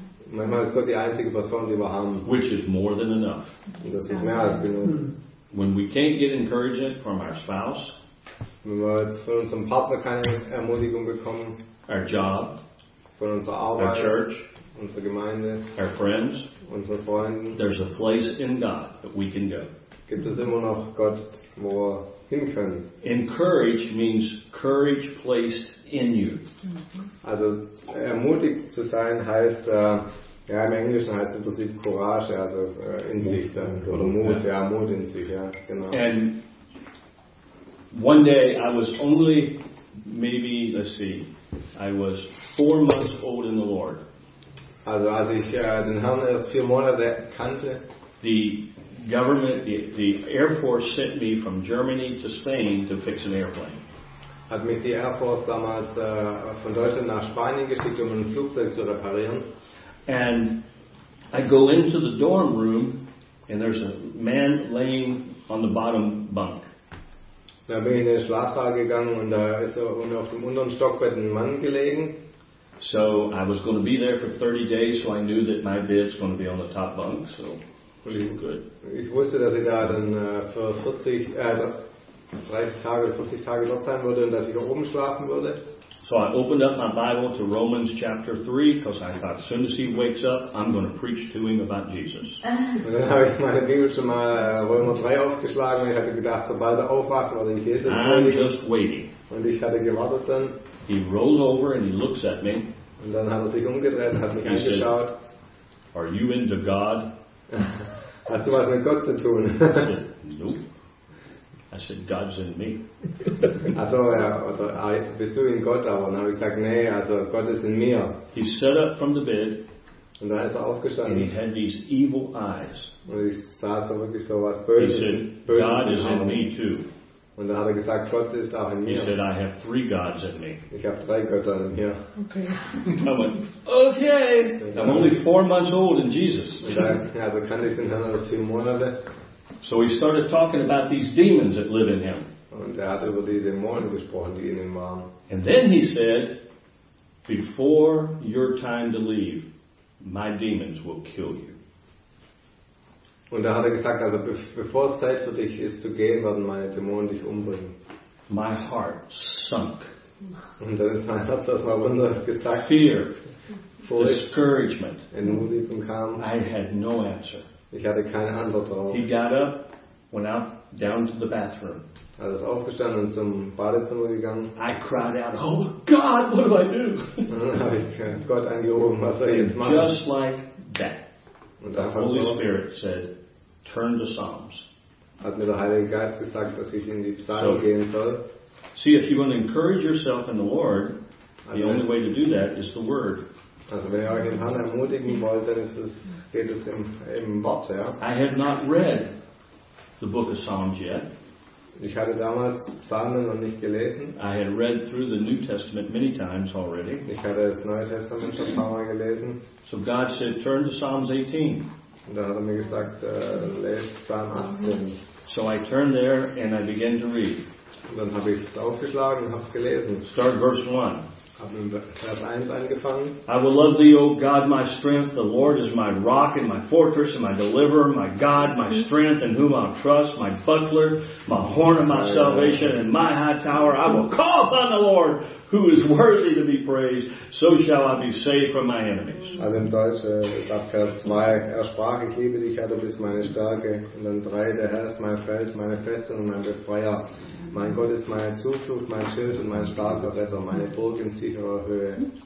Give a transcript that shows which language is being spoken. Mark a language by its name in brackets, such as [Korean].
[German] Manchmal ist Gott die einzige Person, die wir haben. [English] Which is more than enough. [German] Das ist mehr als genug. [English] When we can't get encouragement from our spouse, [German] wenn wir jetzt von unserem Partner keine Ermutigung bekommen, [English] our job, [German] von unserer Arbeit, [English] our church, [German] unsere Gemeinde, [English] our friends, [German] unsere Freunde, [English] there's a place in God that we can go. [German] Gibt es immer noch Gott, wo wir hin können? [English] Encourage means courage placed in you. [German] Also ermutigt zu sein heißt, im Englischen heißt es im Prinzip Courage, also in sich dann, oder Mut, ja, Mut in sich, ja, genau. [English] And one day I was only maybe, let's see, I was 4 months old in the Lord. [German] Also als ich den Herrn erst 4 Monate kannte, [English] the government, the Air Force sent me from Germany to Spain to fix an airplane. [German] Hat mich die Air Force damals von Deutschland nach Spanien geschickt, um ein Flugzeug zu reparieren. [English] And I go into the dorm room and there's a man laying on the bottom bunk. [German] Da bin ich in den Schlafsaal gegangen und da ist auf dem unteren Stockbett ein Mann gelegen. [English] So I was going to be there for 30 days, so I knew that my bed's going to be on the top bunk. So good. [German] Ich wusste, dass ich da dann für 40 Tage dort sein würde und dass ich da oben schlafen würde. [English] So I opened up my Bible to Romans chapter 3, because I thought, as soon as he wakes up, I'm going to preach to him about Jesus. [German] Und dann habe ich meine Bibel schon mal Römer 3 aufgeschlagen und ich hatte gedacht, sobald er aufwacht, werde ich Jesus. [English] I'm just waiting. [German] Und ich hatte gewartet dann. [English] He rolls over and he looks at me. [German] Und dann hat er sich umgedreht und hat mich angeschaut. [English] Are you into God? [German] Hast du was mit Gott zu tun? [English] I said, God's in me. [German] Also, also, bist du in Gott, aber dann habe ich gesagt, nee, also Gott ist in mir. [English] He stood up from the bed. [German] Und dann ist er aufgestanden. [English] And he had these evil eyes. [German] Und ich sah so wirklich so was Böses. [English] He said, God [German] Böses [English] is in me too. [German] Und dann hat er gesagt, Gott ist auch in mir. [English] He said, I have three gods in me. [German] Ich habe drei Götter in mir. [English] Okay. I went, okay. I'm only 4 months old in Jesus. [German] Also kann ich den Herrn erst 4 Monate. [English] So he started talking about these demons that live in him. [German] Und er hat über die Dämonen gesprochen, die in ihm waren. [English] And then he said, before your time to leave, my demons will kill you. [German] Und da hat er gesagt, also bevor es Zeit für dich ist zu gehen, werden meine Dämonen dich umbringen. [English] My heart sunk. [German] Und dann ist mein Herz erstmal runter gesagt. [English] Fear. Discouragement. [German] Entmutigung kam. [English] I had no answer. [German] Ich hatte keine Antwort drauf. [English] He got up, went out down to the bathroom. [German] Er ist aufgestanden und zum Badezimmer gegangen. [English] I cried out, oh God, what do I do? [German] Und dann habe ich Gott angerufen, was soll ich jetzt machen? [English] Just like that. [German] Und dann [English] the Holy Spirit said, turn to Psalms. [German] Hat mir der Heilige Geist gesagt, dass ich in die Psalmen gehen soll. [English] See, if you want to encourage yourself in the Lord, the only way to do that is the Word. [German] Also wenn ihr euch im Herrn ermutigen wollt, dann ist es, geht es im Wort, ja. [English] I have not read the book of Psalms yet. [German] Ich hatte damals Psalmen noch nicht gelesen. [English] I had read through the New Testament many times already. [German] Ich hatte das Neue Testament schon ein paar Mal gelesen. [English] So God said, turn to Psalms 18. [German] Und dann hat er mir gesagt, lese Psalm 18. [English] So I turned there and I began to read. [German] Und dann habe ich es aufgeschlagen und habe es gelesen. [English] Start verse 1. I will love thee, O God, my strength. The Lord is my rock and my fortress and my deliverer, my God, my strength, in whom I trust, my buckler, my horn of my salvation, and my high tower. I will call upon the Lord, who is worthy to be praised. So shall I be saved from my enemies. [German] Also im Deutschen, ab Vers 2, er sprach, ich liebe dich, Herr, du bist meine Stärke. Und dann 3, der Herr ist mein Fels, meine Festung und mein Befreier. Mein Gott ist meine Zuflucht, mein Schild und mein starker Retter, meine Burg in sicherer Höhe.